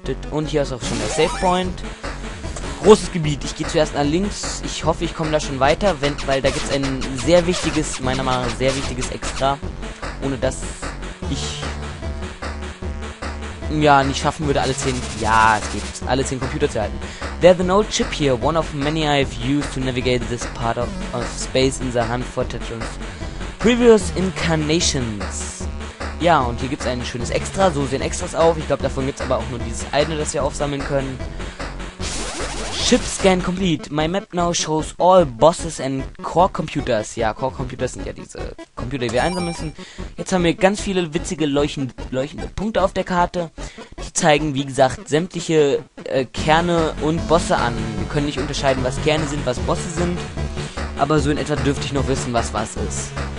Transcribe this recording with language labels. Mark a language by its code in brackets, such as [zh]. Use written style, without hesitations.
[de] Und hier ist auch schon der Safe Point. Großes Gebiet. Ich gehe zuerst nach links. Ich hoffe, ich komme da schon weiter, weil da gibt es ein sehr wichtiges, meiner Meinung nach, sehr wichtiges Extra. Ohne das ich ja nicht schaffen würde, alle 10. Ja, es geht. Alle 10 Computer zu halten. [en] There's an old chip here, one of many I've used to navigate this part of space in the Hunt for Tetris. Previous Incarnations. [de] Ja, und hier gibt es ein schönes Extra. So sehen Extras auf. Ich glaube, davon gibt es aber auch nur dieses eine, das wir aufsammeln können. [en] Chip Scan complete. My map now shows all bosses and core computers. [de] Ja, core computers sind ja diese Computer, die wir einsammeln müssen. Jetzt haben wir ganz viele witzige leuchtende Punkte auf der Karte. Die zeigen, wie gesagt, sämtliche Kerne und Bosse an. Wir können nicht unterscheiden, was Kerne sind, was Bosse sind. Aber so in etwa dürfte ich noch wissen, was ist.